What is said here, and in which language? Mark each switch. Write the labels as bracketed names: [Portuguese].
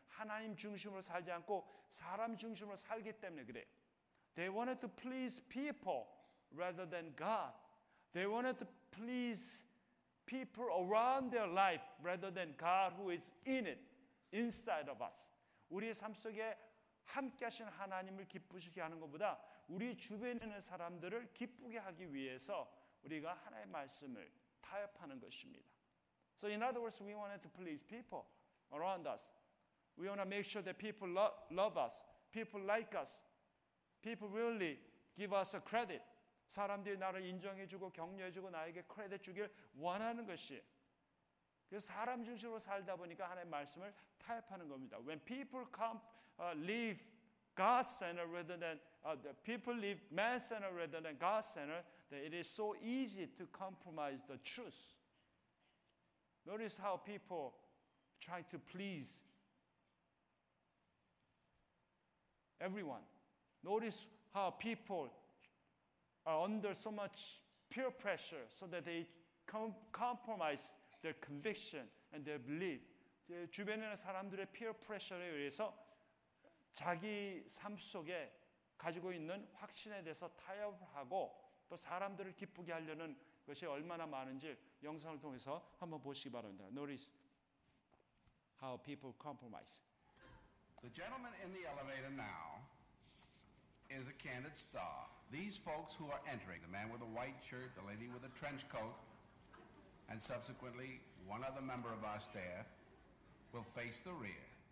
[Korean] 하나님 중심으로 살지 않고 사람 중심으로 살기 때문에 그래요. [English] They wanted to please people rather than God. They wanted to please people around their life rather than God who is in it, inside of us. [Korean] 우리의 삶 속에 함께 하신 하나님을 기쁘시게 하는 것보다 우리 주변에 있는 사람들을 기쁘게 하기 위해서 우리가 하나님의 말씀을 타협하는 것입니다. [English] So in other words, we wanted to please people around us. We want to make sure that people love us, people like us, people really give us a credit. [Korean] 사람들이 나를 인정해주고 격려해주고 나에게 크레딧 주길 원하는 것이. 그래서 사람 중심으로 살다 보니까 하나님의 말씀을 타협하는 겁니다. [English] When people leave God-centered rather than the people leave man-centered rather than God-centered, that it is so easy to compromise the truth. Notice how people try to please everyone. Notice how people are under so much peer pressure so that they compromise their conviction and their belief. [Korean] 주변의 사람들의 peer pressure에 의해서 자기 삶 속에 가지고 있는 확신에 대해서 타협을 하고 또 사람들을 기쁘게 하려는 것이 얼마나 많은지 영상을 통해서 한번 보시기 바랍니다. [English] Notice how people compromise. The gentleman in the elevator now is a candid star. These folks who are entering, the man with the white shirt, the lady with the trench coat, and subsequently one other member of our staff, will face the rear.